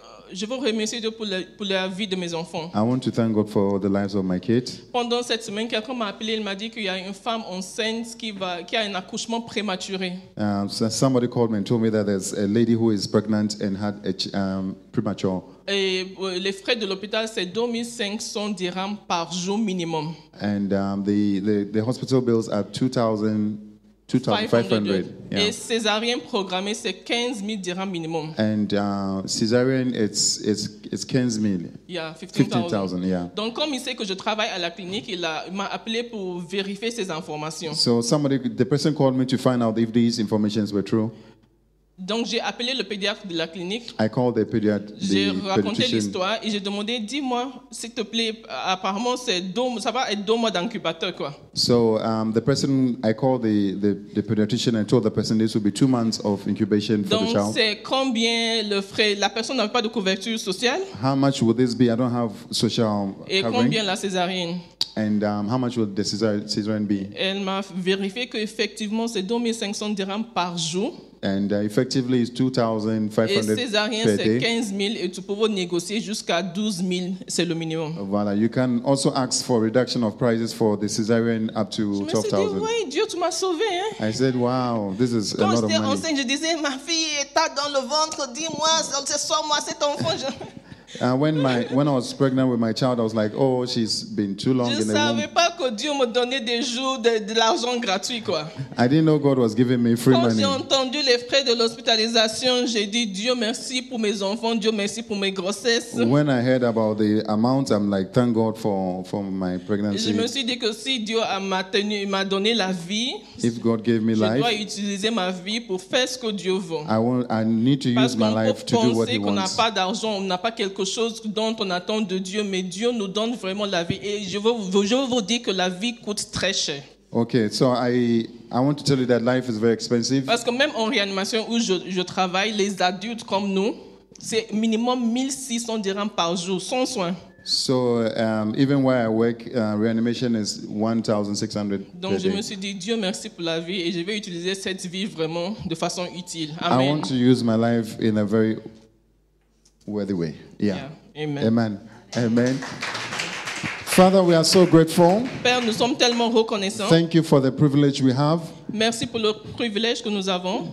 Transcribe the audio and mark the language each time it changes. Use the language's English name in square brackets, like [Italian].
[French] Je veux remercier Dieu pour la vie de mes enfants. [English] I want to thank God for the lives of my kids. [French] Pendant cette semaine, quelqu'un m'a appelé. Il m'a dit qu'il y a une femme enceinte qui a un accouchement prématuré. [English] Somebody called me and told me that there's a lady who is pregnant and had a premature. [French] Et les frais de l'hôpital, c'est 2500 dirhams par jour minimum. [English] And the hospital bills are 2,500. [French] Yeah. Et césarienne programmée, c'est 15 000 dirhams minimum. [English] And césarienne, it's 15 000. Yeah, 15,000. Yeah. [French] Donc, comme il sait que je travaille à la clinique, il m'a appelé pour vérifier ces informations. [English] So somebody, the person called me to find out if these informations were true. [French] Donc j'ai appelé le pédiatre de la clinique. [English] I called the pediatrician. [French] J'ai raconté l'histoire et j'ai demandé, dis-moi, s'il te plaît, apparemment ça va être 2 mois d'incubateur, quoi. [English] So the person I called the pediatrician and told the person this will be 2 months of incubation for [French] donc, [English] the child. [French] Donc c'est combien le frais? La personne n'avait pas de couverture sociale. [English] How much would this be? I don't have social [French] et [English] covering. [French] Et combien la césarienne? [English] And how much would the caesarean be? [French] Elle m'a vérifié que effectivement c'est 2500 dirhams par jour. [English] And effectively, it's 2,500 per day. Voilà, you can also ask for reduction of prices for the cesarean up to 12,000. [French] Je me suis dit, ouais, Dieu, tu m'as sauvé, hein? [English] I said, wow, this is [French] quand [English] a lot of money. [French] Quand j'étais enceinte, je disais, ma fille est dans le ventre, dis-moi, sois-moi cet enfant. [English] When I was pregnant with my child, I was like, oh, she's been too long [French] je [English] in the womb. [French] Pas que Dieu me donnait des jours de l'argent gratuit, quoi. [English] I didn't know God was giving me free [French] quand [English] money. [French] Quand j'ai entendu les frais de l'hospitalisation, j'ai dit, Dieu merci pour mes enfants, Dieu merci pour mes grossesses. [English] When I heard about the amount, I'm like, thank God for my pregnancy. [French] Je me suis dit que si Dieu m'a donné la vie, [English] if God gave me [French] je [English] life, [French] dois utiliser ma vie pour faire ce que Dieu veut. [English] I need to use my life to do what he [French] qu'on N'a pas d'argent, on n'a pas quelque chose dont on attend de Dieu, mais Dieu nous donne vraiment la vie. Et je veux vous dire que la vie coûte très cher. [English] Okay, so I want to tell you that life is very expensive. [French] Parce que même en réanimation où je travaille, les adultes comme nous, c'est minimum 1600 dirhams par jour, sans soins. [English] So even where I work, reanimation is 1,600. [French] Donc je me suis dit, Dieu merci pour la vie et je vais utiliser cette vie vraiment de façon utile. [English] Amen. I want to use my life in a very worthy way. Yeah. Amen. Amen. Amen. Father, we are so grateful. [French] Père, nous sommes tellement reconnaissants. [English] Thank you for the privilege we have. [French] Merci pour le privilège que nous avons.